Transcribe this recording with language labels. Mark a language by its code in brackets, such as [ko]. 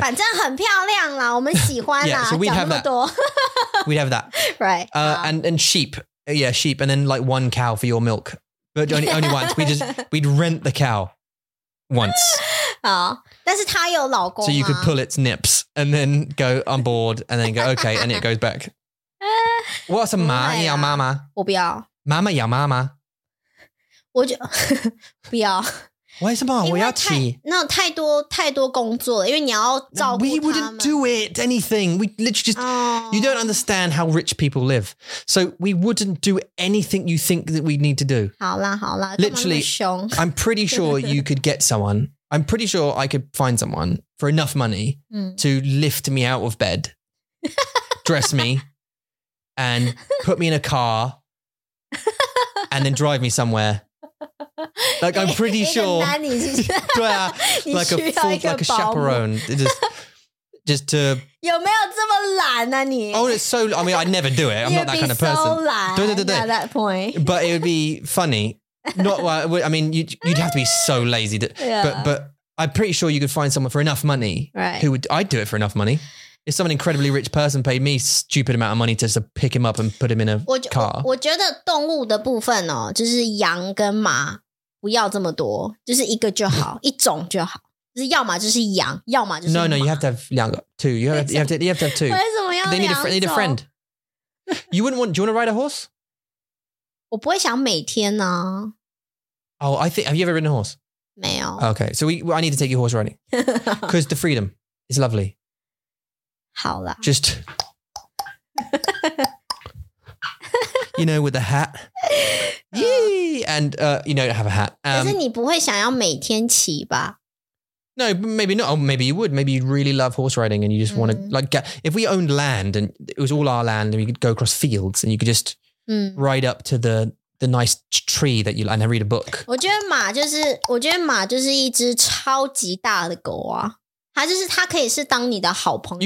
[zh] 反正很漂亮啦，我们喜欢啦。 [en] Yeah, so we'd have that. We'd have that. Right. And sheep. Yeah, sheep, and then like one cow for your milk, but only once. We'd rent the cow once. [zh] Oh, 但是他有老公啊。 [en] So you could pull its nips and then go on board and then go okay, and it goes back. What's a [zh] 妈？你要妈妈？我不要。妈妈要妈妈。我就不要。为什么？我要骑。那太多太多工作了，因为你要照顾他们。 [en] We wouldn't do it anything. We literally just,、you don't understand how rich people live. So we wouldn't do anything you think that we need to do. [zh] 好啦好啦。 [en] Literally, I'm pretty sure you could get someone. I'm pretty sure I could find someone for enough money to lift me out of bed, dress me, and put me in a car, and then drive me somewhere. Like, I'm pretty sure. [zh] 对啊, [en] like a full, like a chaperone. Just to. [zh] 有没有这么懒啊你? [en] Oh, it's so. I mean, I'd never do it. I'm not that kind of person. You'd be so [zh] 懒, 对对对, [en] at that point. But it would be funny. Not, well, I mean, you'd have to be so lazy. To, yeah. But I'm pretty sure you could find someone for enough money. Right. Who would, I'd do it for enough money. If some incredibly rich person paid me stupid amount of money to pick him up and put him in a car. [zh] 我觉得动物的部分哦，就是羊跟马。不要这么多，就是一个就好，一种就好。就是要嘛就是羊，要嘛就是马。 [en] No, you have to have [zh] 两个 [en] two. You have to have two. [zh] 为什么要两种？ [en] They need a friend. You wouldn't want. Do you want to ride a horse? [zh] 我不会想每天啊。 [en] Oh, I think. Have you ever ridden a horse? [zh] 没有。 [en] Okay, so I need to take you horse riding because the freedom is lovely. [zh] 好啦。 [en] Just. You know, with the hat. Yee! And you know, have a hat. [zh] 可是你不会想要每天骑吧? [en] No, maybe not. Oh, maybe you would. Maybe you really love horse riding and you just want to, like, if we owned land and it was all our land and we could go across fields and you could just ride up to the nice tree that you like and read a book. [zh] 我觉得马就是一只超级大的狗啊。它就是它可以是当你的好朋友。